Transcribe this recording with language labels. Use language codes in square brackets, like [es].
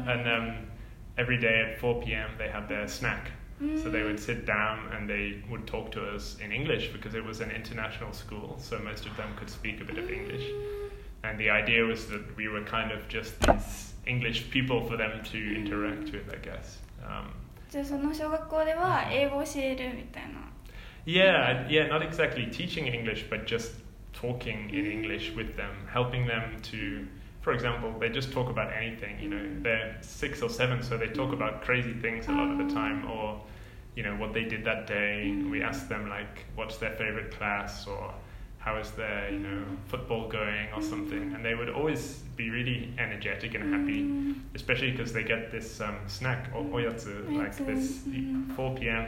[en] And every day at 4 p.m. they had their snack. So they would sit down and they would talk to us in English, because it was an international school, so most of them could speak a bit of English. And the idea was that we were kind of just these English people for them to interact with, I guess. [ja] じゃあその小学校では英語を教えるみたいな? [en] Yeah, not exactly teaching English, but just talking in English with them, helping them to, for example, they just talk about anything, you know, they're 6 or 7, so they talk about crazy things a lot of the time, or, you know, what they did that day. We ask them, like, what's their favorite class, or how is their, you know, football going, or something, and they would always be really energetic and happy, especially because they get this snack, oyatsu, like this 4 p.m.